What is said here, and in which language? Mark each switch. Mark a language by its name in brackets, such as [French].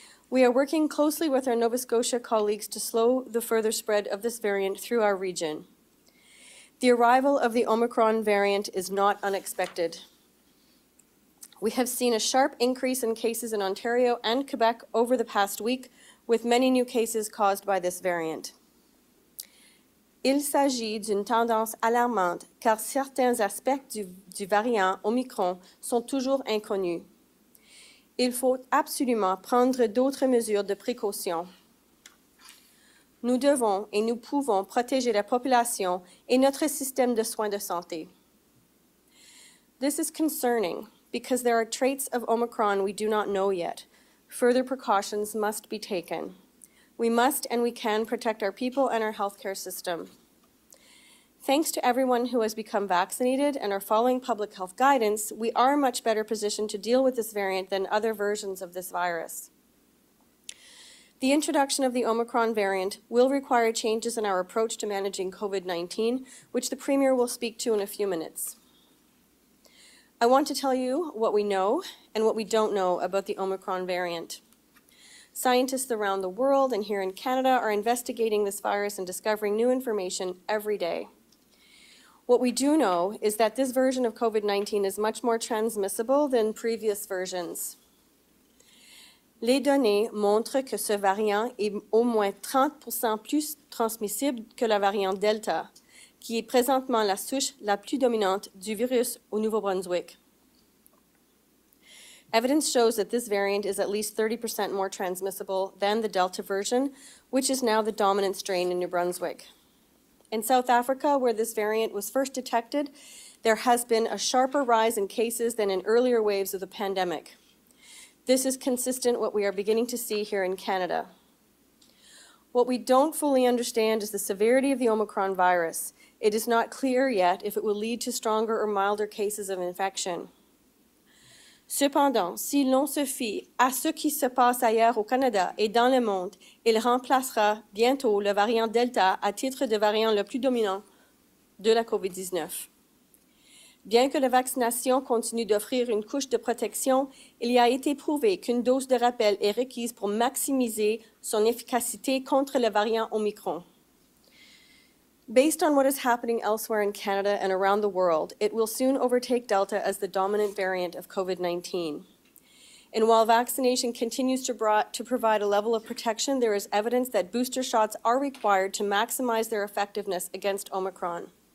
[English] We are working closely with our Nova Scotia colleagues to slow the further spread of this variant through our region. The arrival of the Omicron variant is not unexpected. We have seen a sharp increase in cases in Ontario and Quebec over the past week, with many new cases caused by this variant. [French] Il s'agit d'une tendance alarmante, car certains aspects du variant Omicron sont toujours inconnus. Il faut absolument prendre d'autres mesures de précaution. Nous devons et nous pouvons protéger la population et notre système de soins de santé. [English] This is concerning because there are traits of Omicron we do not know yet. Further precautions must be taken. We must and we can protect our people and our healthcare system. Thanks to everyone who has become vaccinated and are following public health guidance, we are much better positioned to deal with this variant than other versions of this virus. The introduction of the Omicron variant will require changes in our approach to managing COVID-19, which the Premier will speak to in a few minutes. I want to tell you what we know and what we don't know about the Omicron variant. Scientists around the world and here in Canada are investigating this virus and discovering new information every day. What we do know is that this version of COVID-19 is much more transmissible than previous versions. [French] Les données montrent que ce variant est au moins 30% plus transmissible que la variante Delta, qui est présentement la souche la plus dominante du virus au Nouveau-Brunswick. [English] Evidence shows that this variant is at least 30% more transmissible than the Delta version, which is now the dominant strain in New Brunswick. In South Africa, where this variant was first detected, there has been a sharper rise in cases than in earlier waves of the pandemic. This is consistent with what we are beginning to see here in Canada. What we don't fully understand is the severity of the Omicron virus. It is not clear yet if it will lead to stronger or milder cases of infection. [French] Cependant, si l'on se fie à ce qui se passe ailleurs au Canada et dans le monde, il remplacera bientôt le variant Delta à titre de variant le plus dominant de la COVID-19. Bien que la vaccination continue d'offrir une couche de protection, il y a été prouvé qu'une dose de rappel est requise pour maximiser son efficacité contre le variant Omicron. [English] Based on what is happening elsewhere in Canada and around the world, it will soon overtake Delta as the dominant variant of COVID-19. And while vaccination continues to provide a level of protection, there is evidence that booster shots are required to maximize their effectiveness against Omicron.